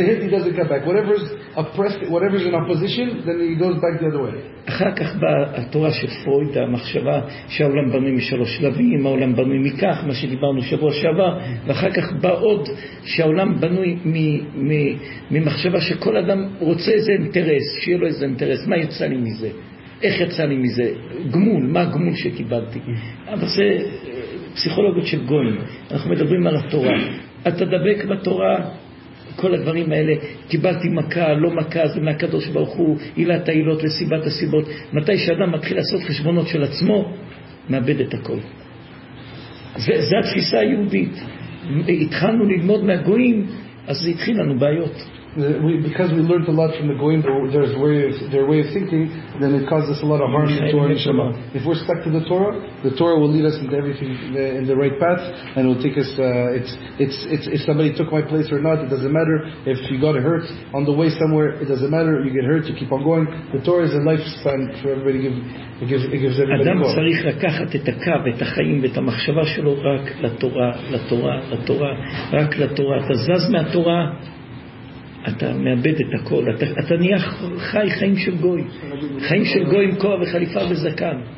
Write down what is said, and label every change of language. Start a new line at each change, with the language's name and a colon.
English: If he gets a hit, he doesn't come back. Whatever's oppressed, whatever's in opposition, then he goes back the other way.
Hebrew: אחר כך בא התורה של פרויד, המחשבה שהעולם בנוי משלוש שלבים, העולם בנוי מכך, מה שדיברנו שבוע שעבר, ואחר כך בא עוד שהעולם בנוי ממחשבה שכל אדם רוצה איזה אינטרס, שיהיה לו איזה אינטרס, מה יצא לי מזה? איך יצא לי מזה? גמול, מה הגמול שקיבלתי? אבל זה פסיכולוגיות של גויים. אנחנו מדברים על התורה. אתה דבק בתורה, כל הדברים האלה, קיבלתי מכה, לא מכה, זה מהקדוש ברוך הוא, עילת העילות לסיבת הסיבות. מתי שאדם מתחיל לעשות חשבונות של עצמו, מאבד את הכל. זה התפיסה היהודית. התחלנו ללמוד מהגויים, אז זה התחיל לנו בעיות.
English: Because we learned a lot from the goyim, their way of thinking, then it caused us a lot of harm to our neshama. If we're stuck to the Torah will lead us into everything in the right path, and it will take us. It's if somebody took my place or not, it doesn't matter. If you got hurt on the way somewhere, it doesn't matter. You get hurt, you keep on going. The Torah is a lifespan for everybody. It gives everybody.
Hebrew: Adam צריך לקחת את הקו, את החיים, את המחשבה שלו רק לתורה, לתורה, לתורה, רק לתורה. אתה זז מהתורה. אתה מאבד את הכל, אתה נהיה חי חיים של גוי, חיים של גוי עם כוח וחליפה וזקן.